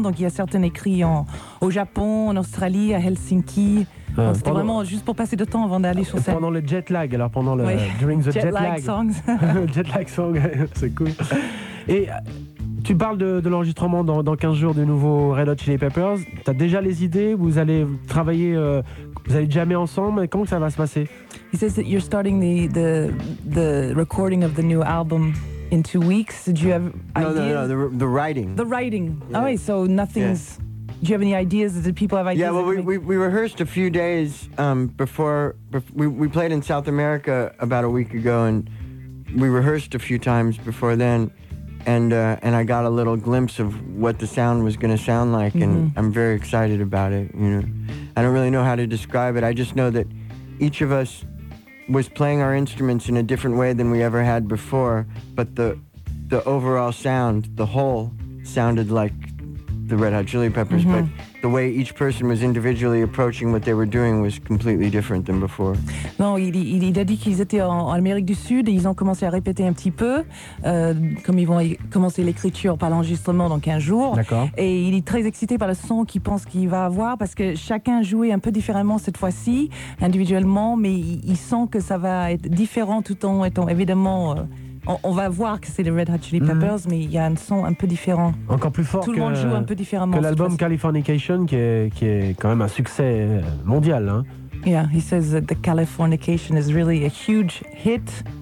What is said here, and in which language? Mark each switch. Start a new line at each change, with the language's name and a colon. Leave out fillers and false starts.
French: Donc il y a certaines écrites au Japon, en Australie, à Helsinki. C'était vraiment juste pour passer de temps avant d'aller sur scène. Pendant le jet lag, alors pendant le... Oui.
English: During the jet lag. Songs. Jet lag song,
French: c'est cool. Et tu parles de l'enregistrement dans 15 jours du nouveau Red Hot Chili Peppers. T'as déjà les idées? Vous allez travailler... Vous allez jammer ensemble? Comment ça va se passer?
English: He says that you're starting the recording of the new album in 2 weeks. Do you have ideas? No, the writing. The writing. Yeah. Oh, wait, so nothing's... Yeah. Do you have any ideas? Did people have ideas? Yeah, well, we rehearsed a few days before... We played in South America about a week ago, and we rehearsed a few times before then. And I got a little glimpse of what the sound was going to sound like, and I'm very excited about it. You know, I don't really know how to describe it. I just know that each of us was playing our instruments in a different way than we ever had before, but the overall sound, the whole, sounded like the Red Hot Chili Peppers, but the way each person was individually approaching what they were doing was completely different than before.
French: Non, il a dit qu'ils étaient en Amérique du Sud et ils ont commencé à répéter un petit peu, comme ils vont commencer l'écriture par l'enregistrement dans 15 jours. D'accord. Et il est très excité par le son qu'il pense qu'il va avoir parce que chacun jouait un peu différemment cette fois-ci, individuellement, mais il sent que ça va être différent tout en étant évidemment... On va voir que c'est les Red Hot Chili Peppers, mais il y a un son un peu différent. Encore plus fort. Tout que le monde joue un peu différemment. Que l'album Californication, qui est quand même un succès mondial. Hein.
English: Yeah, he says that the Californication is really a huge hit.